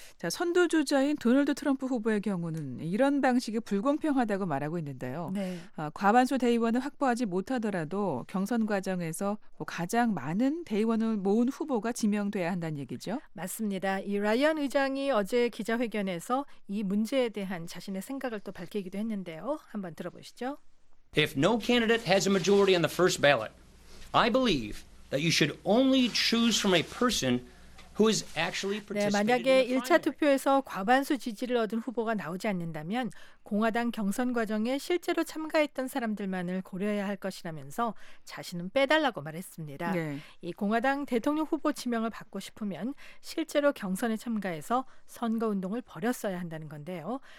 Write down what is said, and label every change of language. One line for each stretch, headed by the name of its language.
Korean: 자, 선두주자인 도널드 트럼프 후보의 경우는 이런 방식이 불공평하다고 말하고 있는데요. 네. 과반수 대의원을 확보하지 못하더라도 경선 과정에서 뭐 가장 많은 대의원을 모은 후보가 지명돼야 한다는 얘기죠. 맞습니다. 이 라이언 의장이 어제 기자회견에서 이 문제에 대한 자신의 생각을 또 밝히기도 했는데요. 한번 들어보시죠.
English: If no candidate has a majority on the first ballot, I believe that you should only choose from a person who is actually participating.
Korean: 네, 만약에 1차 투표에서 과반수 지지를 얻은 후보가 나오지 않는다면 공화당 경선 과정에 실제로 참가했던 사람들만을 고려해야 할 것이라면서 자신은 빼달라고 말했습니다. 네. 이 공화당 대통령 후보 지명을 받고 싶으면 실제로 경선에 참가해서 선거운동을 벌였어야 한다는 건데요.